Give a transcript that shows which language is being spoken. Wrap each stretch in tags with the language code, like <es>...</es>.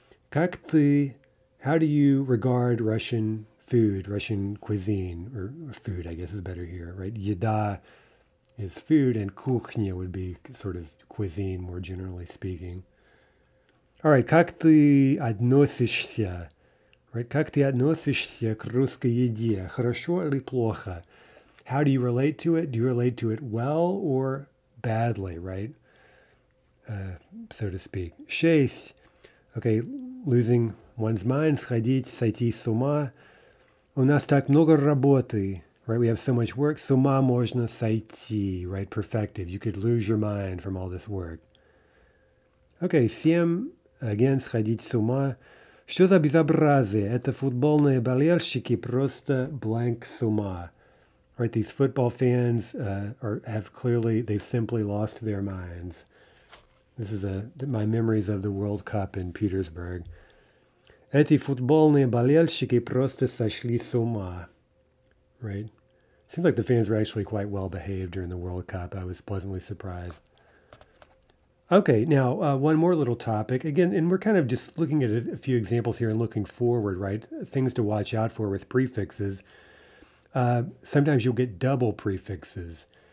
<ru>Как ты,</ru> <en>how do you regard Russian food, Russian cuisine, or food, I guess is better here, right? Еда is food, and кухня would be sort of cuisine, more generally speaking. All right,</en> <ru>как ты относишься,</ru> <en>right?</en> <ru>Как ты относишься к русской еде? Хорошо или плохо?</ru> <en>How do you relate to it? Do you relate to it well or badly, right? So to speak. Шесть. Okay, losing one's mind.</en> <ru>Сходить, сойти с ума. У нас так много работы, right?</ru> <en>We have so much work.</en> <ru>С ума можно сойти, right? Perfective.</ru> <en>You could lose your mind from all this work.</en> <ru>Okay, семь. Again, сходить с ума. Что за безобразие? Это футбольные болельщики просто blank с ума.</ru> <en>Right, these football fans they've simply lost their minds. This is my memories of the World Cup in Petersburg.</en> <ru>Эти футбольные болельщики просто сошли с ума.</ru> <en>Right? Seems like the fans were actually quite well behaved during the World Cup. I was pleasantly surprised. Okay, now one more little topic. Again, and we're kind of just looking at a few examples here and looking forward, right? Things to watch out for with prefixes. Sometimes you'll get double prefixes.</en>